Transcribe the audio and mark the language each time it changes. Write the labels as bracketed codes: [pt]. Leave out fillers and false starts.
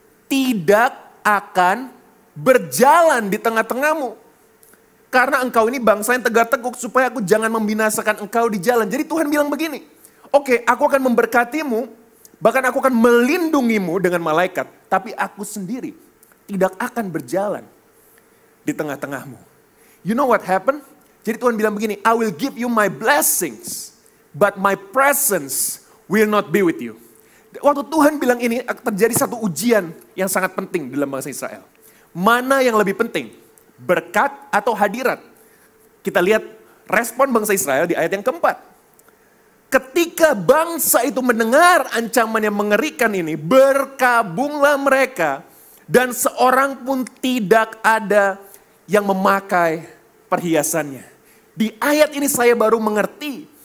[id] Tidak akan berjalan di tengah-tengahmu, karena engkau ini bangsa yang tegar teguk, supaya aku jangan membinasakan engkau di jalan. Jadi Tuhan bilang begini, oke, aku akan memberkatimu, bahkan aku akan melindungimu dengan malaikat, tapi aku sendiri tidak akan berjalan di tengah-tengahmu. [en] You know what happened? [id] Jadi Tuhan bilang begini, [en] I will give you my blessings, but my presence will not be with you. [id] Waktu Tuhan bilang ini, terjadi satu ujian yang sangat penting dalam bangsa Israel. Mana yang lebih penting? Berkat atau hadirat? Kita lihat respon bangsa Israel di ayat yang keempat. Ketika bangsa itu mendengar ancaman yang mengerikan ini, berkabunglah mereka, dan seorang pun tidak ada yang memakai perhiasannya. Di ayat ini saya baru mengerti